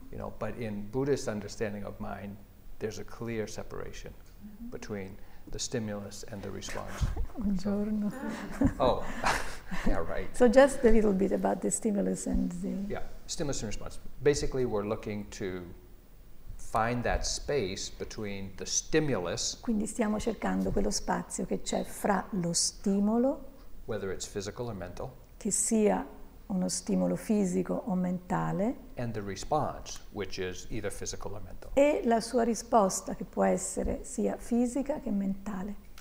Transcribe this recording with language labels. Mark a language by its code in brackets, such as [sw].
[en] you know, but in Buddhist understanding of mind, there's a clear separation mm-hmm. between the stimulus and the response. [it] Buongiorno. [en] Oh, yeah, right. So just a little bit about the stimulus and the... Yeah, stimulus and response. Basically, we're looking to find that space between the stimulus. [it] Quindi stiamo cercando quello spazio che c'è fra lo stimolo, [en] whether it's physical or mental, [it] che sia uno stimolo fisico o mentale, [en] and the response, which is either physical or mental. [it] E la sua risposta che può essere sia fisica che mentale.